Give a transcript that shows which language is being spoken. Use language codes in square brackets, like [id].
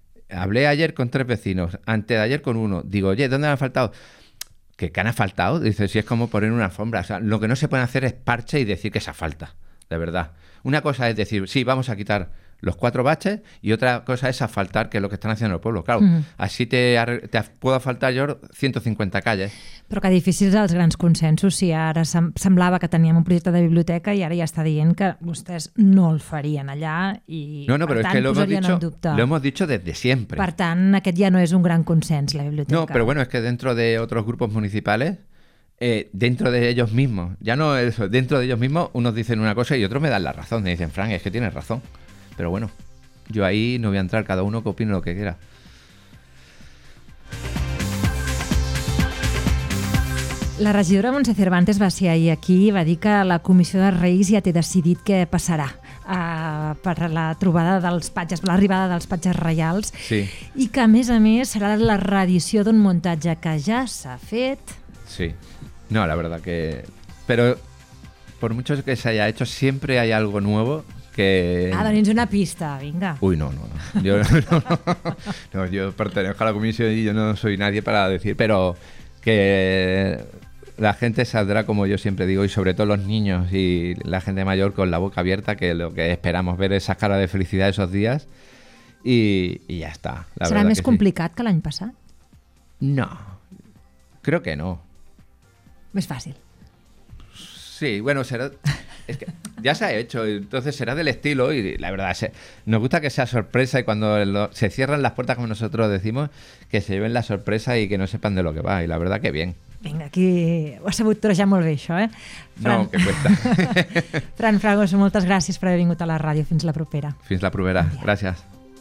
[es] Hablé ayer con tres vecinos, antes de ayer con uno. Digo, oye, ¿dónde han asfaltado? ¿Qué han asfaltado? Dice, sí, es como poner una alfombra. O sea, lo que no se puede hacer es parche y decir que se asfalta, de verdad. Una cosa es decir, sí, vamos a quitar los cuatro baches, y otra cosa es asfaltar, que es lo que están haciendo el pueblo. Claro, así te puedo asfaltar yo 150 calles. [ca] Però que difícils els grans consensos, si ara semblava que teníem un projecte de biblioteca i ara ja està dient que vostès no el farien allà i, no, no, per però tant, és que posarien en dubte. [es] Lo hemos dicho desde siempre. [ca] Per tant, aquest ja no és un gran consens, la biblioteca. [es] No, [ca] però [es] bueno, es que dentro de otros grupos municipales, dentro de ellos mismos, ya no eso, dentro de ellos mismos, unos dicen una cosa y otros me dan la razón. Me dicen, Frank, es que tienes razón. Pero bueno, yo ahí no voy a entrar, cada uno que opine lo que quiera. [ca] La regidora Montse Cervantes va ser ahir aquí i va dir que la Comissió de Reis ja té decidit què passarà per la trobada dels patges, per l'arribada dels patges reials, sí. I que a més serà la reedició d'un muntatge que ja s'ha fet. [es] Sí, no, la verdad que... Pero por mucho que se haya hecho, siempre hay algo nuevo que... [ca] Ah, doni'ns una pista, vinga. [es] Uy, no, no, no. Yo pertenezco a la comisión y yo no soy nadie para decir, pero... Que la gente saldrá, como yo siempre digo, y sobre todo los niños y la gente mayor con la boca abierta, que lo que esperamos ver es esa cara de felicidad esos días y ya está. La [ca] ¿Serà més complicat que l'any passat? [es] No, creo que no. [ca] ¿Més fàcil? [es] Sí, bueno, será... Es que ya se ha hecho, entonces será del estilo y la verdad, nos gusta que sea sorpresa y cuando se cierran las puertas, como nosotros decimos, que se lleven la sorpresa y que no sepan de lo que va, y la verdad que bien. [ca] Vinga, aquí ho has sabut trobar molt bé, això, eh? [es] No, Fran... que cuesta. [ca] Fran Fragoso, moltes gràcies per haver vingut a la ràdio. Fins la propera. Fins la propera. Bon dia. Gràcies.